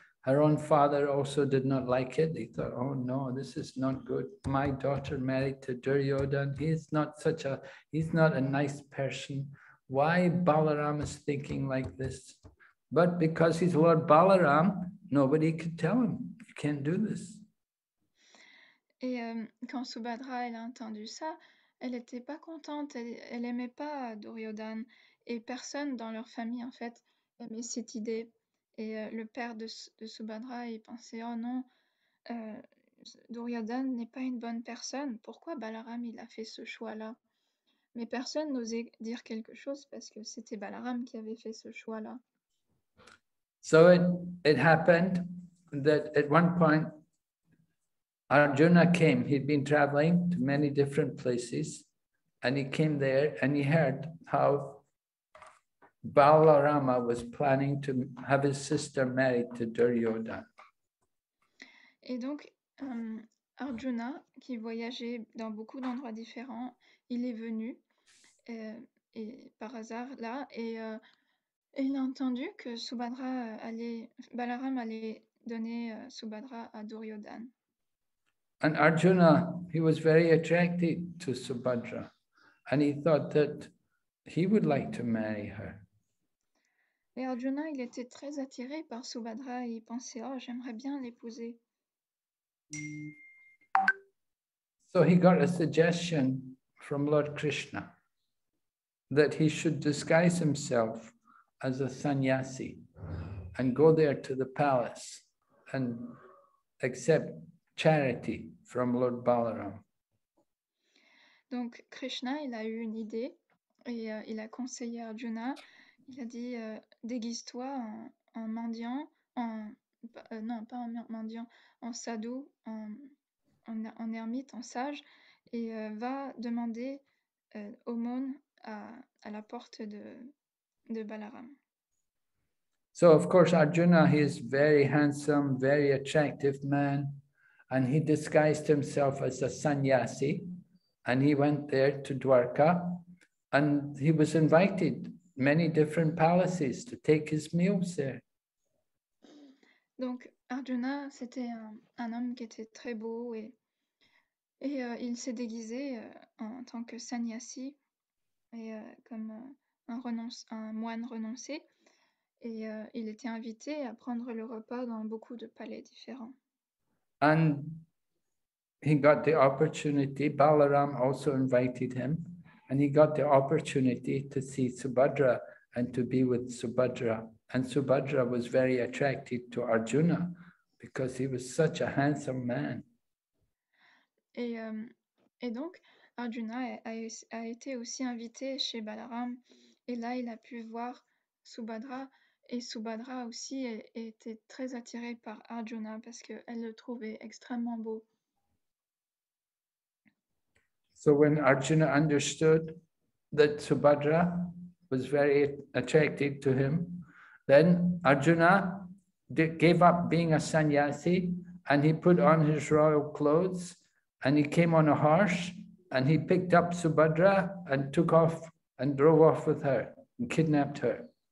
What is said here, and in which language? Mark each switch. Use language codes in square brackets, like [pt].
[en] Her own father also did not like it. He thought, oh no, this is not good. My daughter married to Duryodhan. He's not a nice person. Why Balaram is thinking like this? But because he's Lord Balaram, nobody could tell him, you can't do this. [fr] Et quand Subhadra elle a entendu ça, elle n'était pas contente, elle n'aimait pas Duryodhan. Et personne dans leur famille, en fait, aimait cette idée. Et le père de Subhadra, il pensait, oh non, Duryodhan n'est pas une bonne personne. Pourquoi Balaram, il a fait ce choix-là? Mais personne n'osait dire quelque chose parce que c'était Balaram qui avait fait ce choix-là. [en] So it happened that at one point, Arjuna came. He'd been traveling to many different places. And he came there and he heard how Balarama was planning to have his sister married to Duryodhan. [fr] Et donc Arjuna, qui voyageait dans beaucoup d'endroits différents, il est venu et par hasard là et il a entendu que Balaram allait donner Subhadra à Duryodhan. [en] And Arjuna, he was very attracted to Subhadra and he thought that he would like to marry her. [fr] Et Arjuna, il était très attiré par Subhadra et il pensait, oh, j'aimerais bien l'épouser. [en] So he got a suggestion from Lord Krishna that he should disguise himself as a sannyasi and go there to the palace and accept charity from Lord Balaram. [fr] Donc Krishna, il a eu une idée et il a conseillé Arjuna. Il a dit, déguise-toi en ermite, en sage, et va demander aumône à la porte de Balaram. [en] So of course Arjuna, he is very handsome, very attractive man, and he disguised himself as a sannyasi, and he went there to Dwarka, and he was invited many different palaces to take his meals there. [fr] Donc Arjuna, c'était un homme qui était très beau et il s'est déguisé en tant que sannyasi et comme un moine renoncé. Et il était invité à prendre le repas dans beaucoup de palais différents. [en] And he got the opportunity, Balaram also invited him, and he got the opportunity to see Subhadra and to be with Subhadra. And Subhadra was very attracted to Arjuna because he was such a handsome man. [fr] Et donc Arjuna a été aussi invité chez Balaram, et là il a pu voir Subhadra. Et Subhadra aussi était très attirée par Arjuna parce qu'elle le trouvait extrêmement beau. [en] So when Arjuna understood that Subhadra was very attracted to him, then Arjuna gave up being a sannyasi and he put on his royal clothes and he came on a horse and he picked up Subhadra and took off and drove off with her and kidnapped her.